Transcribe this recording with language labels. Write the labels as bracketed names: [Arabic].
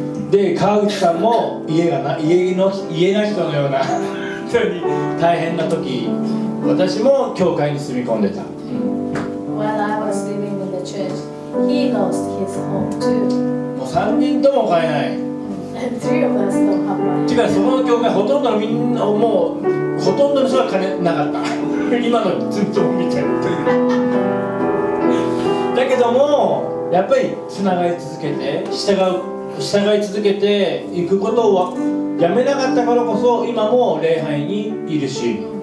[Japanese] で川口さんも家がな、家なし人のような大変な時、私も教会に住み込んでた。 [English] When I was living in the church, he lost his home too. [Japanese] もう 3 人とも買えない。 [English] Three of us don't have money. [Japanese] その教会ほとんどのみんなもうほとんどの人は金なかった。今のずっと見てる。だけどもやっぱりつながり続けて従い続けていくことをやめなかったからこそ今も礼拝にいるし。